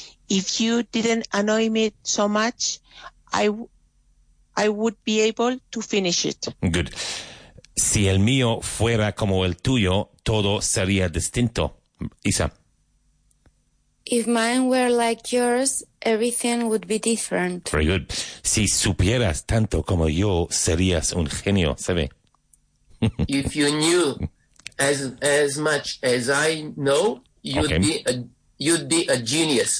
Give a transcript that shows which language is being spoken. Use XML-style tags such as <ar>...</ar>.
<en>If you didn't annoy me so much, I would be able to finish it. Good.</en> <es>Si el mío fuera como el tuyo, todo sería distinto. Isa.</es> <en>If mine were like yours, everything would be different. Very good.</en> <es>Si supieras tanto como yo, serías un genio, ¿sabe?</es> <en>If you knew as much as I know, you'd be a genius.</en>